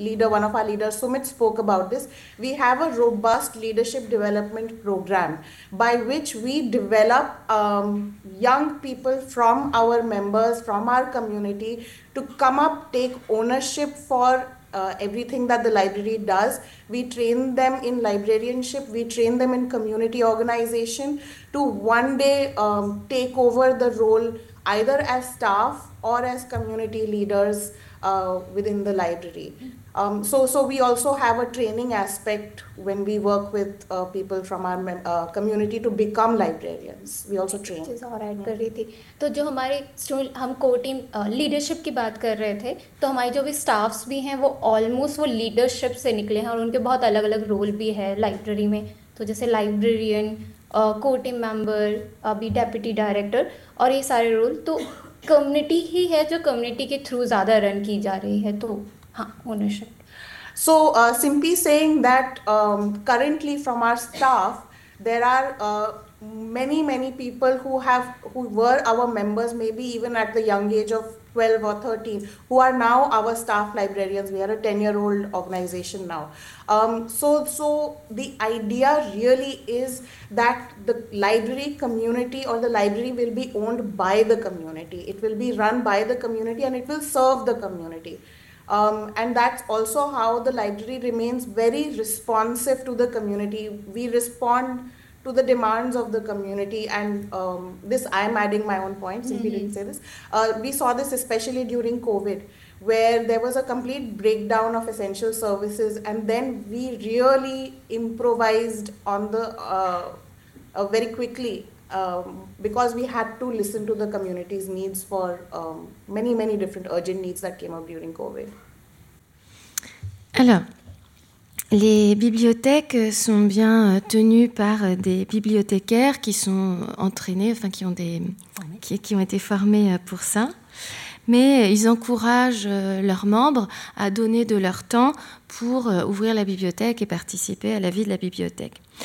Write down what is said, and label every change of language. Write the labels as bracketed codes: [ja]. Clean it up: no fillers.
[en] one of our leaders Sumit spoke about this we have a robust leadership development program by which we develop young people from our members from our community to come up take ownership for everything that the library does we train them in librarianship we train them in community organization to one day take over the role either as staff or as community leaders within the library so we also have a training aspect when we work with people from our community to become librarians we also train [hi] चीज और add कर रही थी तो जो हमारे हम core team leadership की बात कर रहे थे तो हमारे जो भी स्टाफ्स भी हैं वो ऑलमोस्ट वो लीडरशिप से निकले हैं और उनके बहुत अलग अलग रोल भी है लाइब्रेरी में तो जैसे लाइब्रेरियन कोर टीम मेंबर अभी डेप्यूटी डायरेक्टर और ये सारे रोल तो कम्युनिटी ही है जो कम्युनिटी के थ्रू ज़्यादा रन की जा रही है तो हाँ ownership [en] So simply saying that currently from our staff there are many many people who were our members maybe even at the young age of 12 or 13 who are now our staff librarians we are a 10 year old organization now so the idea really is that the library community or the library will be owned by the community it will be run by the community and it will serve the community and that's also how the library remains very responsive to the community we respond to the demands of the community and this I am adding my own points mm-hmm. if you didn't say this we saw this especially during COVID where there was a complete breakdown of essential services and then we really improvised on the very quickly because we had to listen to the community's needs for many many different urgent needs that came up during COVID [fr] Alors. Les bibliothèques sont bien tenues par des bibliothécaires qui sont entraînés, enfin qui ont été formés pour ça. mais ils encouragent leurs membres à donner de leur temps pour ouvrir la bibliothèque et participer à la vie de la bibliothèque.